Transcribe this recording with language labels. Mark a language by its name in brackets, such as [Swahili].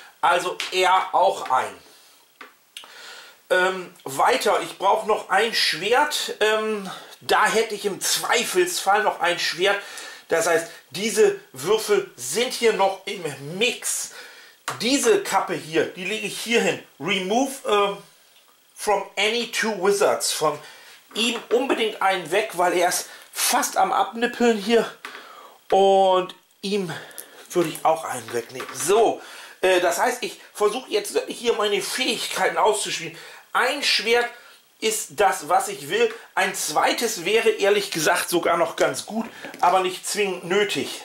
[German] Also er auch ein. Weiter, ich brauche noch ein Schwert. Da hätte ich im Zweifelsfall noch ein Schwert. Das heißt, diese Würfel sind hier noch im Mix. Diese Kappe hier, die lege ich hier hin. [English] Remove from any 2 wizards. [German] Von ihm unbedingt einen weg, weil er ist fast am Abnippeln hier. Und ihm würde ich auch einen wegnehmen. So. Das heißt, ich versuche jetzt hier meine Fähigkeiten auszuspielen. Ein Schwert ist das, was ich will. Ein zweites wäre ehrlich gesagt sogar noch ganz gut, aber nicht zwingend nötig.